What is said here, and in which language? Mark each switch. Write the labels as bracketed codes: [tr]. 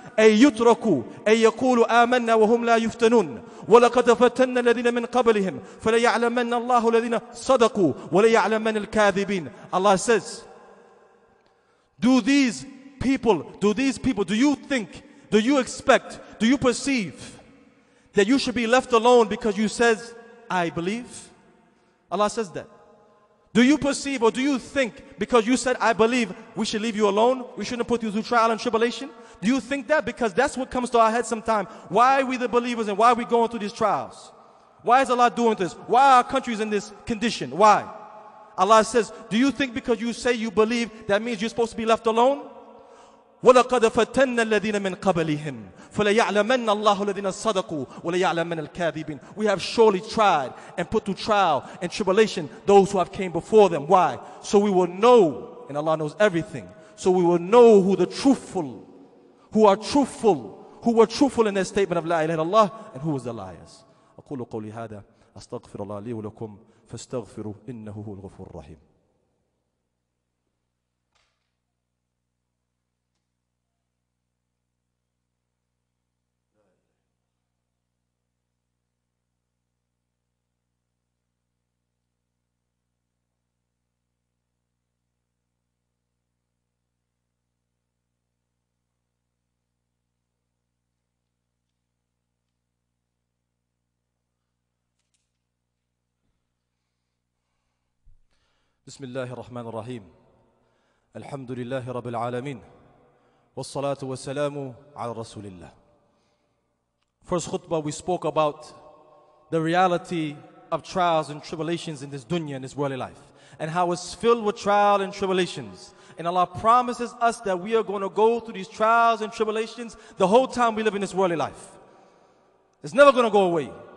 [ar] أي يتركوا أي يقولوا آمنا وهم لا يفتنون ولقد فتنا الذين من قبلهم فلا يعلمن الله الذين صدقوا ولا يعلمن الكاذبين. [en] Allah says, do these people, do you think, do you expect, Do you perceive that you should be left alone because you says, I believe? Allah says that. Do you perceive or do you think because you said, I believe, we should leave you alone? We shouldn't put you through trial and tribulation? Do you think that? Because that's what comes to our head sometimes. Why are we the believers and why are we going through these trials? Why is Allah doing this? Why are our countries in this condition? Why? Allah says, do you think because you say you believe, that means you're supposed to be left alone? [ar] وَلَقَدْ فَتَنَّ الَّذِينَ مِنْ قَبَلِهِمْ فَلَيَعْلَمَنَّ اللَّهُ الَّذِينَ صَدَقُوا وَلَيَعْلَمَنَّ الْكَاذِبِينَ. [en] We have surely tried and put to trial and tribulation those who have came before them. Why? So we will know, and Allah knows everything, so we will know who the truthful, who are truthful, who were truthful in their statement of La ilaha illallah, and who was the liars. [ar] أقول قولي هذا أستغفر الله لي ولكم فاستغفروا إنه هو الغفور الرحيم. بسم الله الرحمن الرحيم الحمد لله رب العالمين والصلاة والسلام على رسول الله. [en] First khutbah, we spoke about the reality of trials and tribulations in this dunya, in this worldly life, and how it's filled with trial and tribulations. And Allah promises us that we are going to go through these trials and tribulations the whole time we live in this worldly life. It's never going to go away.